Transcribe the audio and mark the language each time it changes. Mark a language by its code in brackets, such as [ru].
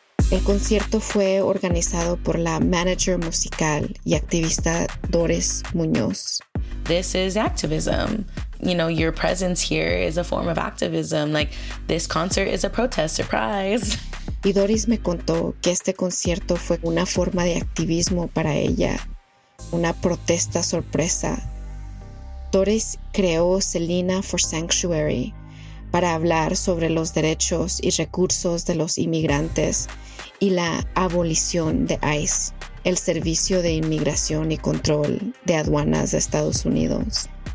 [es] El concierto fue organizado por la manager musical y activista Doris Muñoz. [en] This is activism. You know, your presence here is a form of activism. Like, this concert is a protest, surprise. [es] Y Doris me contó que este concierto fue una forma de activismo para ella, una protesta sorpresa. Doris creó Selena for Sanctuary para hablar sobre los derechos y recursos de los inmigrantes y la abolición de ICE, el Servicio de Inmigración y Control de Aduanas de Estados Unidos.